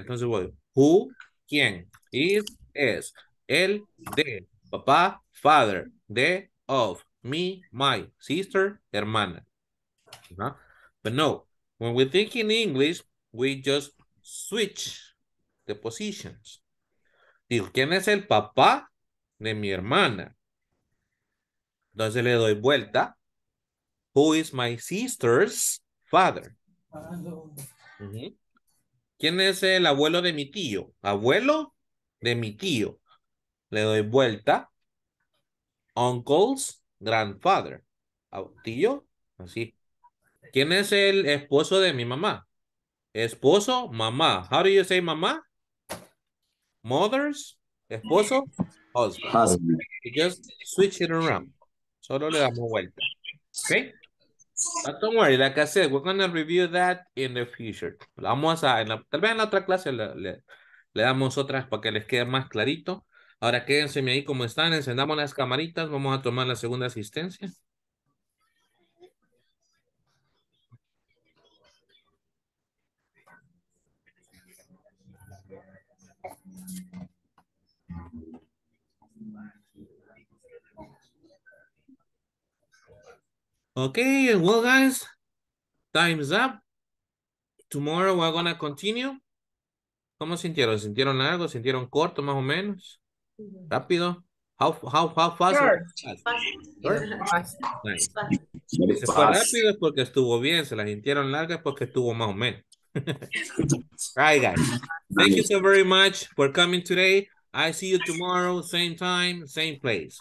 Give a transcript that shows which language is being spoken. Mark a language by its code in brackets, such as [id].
[es] Entonces, voy, who, quién, is, el, de, papá, father, de, of, me, my, sister, hermana. Uh-huh. [en] But no, when we think in English, we just switch the positions. [es] Digo, ¿quién es el papá de mi hermana? Entonces le doy vuelta. [en] Who is my sister's father? [es] ¿Quién es el abuelo de mi tío? Abuelo de mi tío. Le doy vuelta. [en] Uncle's grandfather. [es] Tío, así. ¿Quién es el esposo de mi mamá? [en] Esposo, mamá. How do you say mamá? Mother's, esposo, husband. You just switch it around. [es] Solo le damos vuelta. [en] Okay? But don't worry, like I said, we're going to review that in the future. [es] Vamos a, en la, tal vez en la otra clase le damos otras para que les quede más clarito. Ahora quédense ahí como están, encendamos las camaritas, vamos a tomar la segunda asistencia. [en] Okay, well, guys, time's up. Tomorrow we're gonna continue. [es] ¿Cómo sintieron? ¿Sintieron largo? ¿Sintieron corto, más o menos? ¿Rápido? [en] How fast? Short. Fast. Fast. Fast. Fast. [es] Rápido es porque estuvo bien. Se la sintieron larga es porque estuvo más o menos. [en] Right, guys. Thank you so very much for coming today. I see you tomorrow, same time, same place.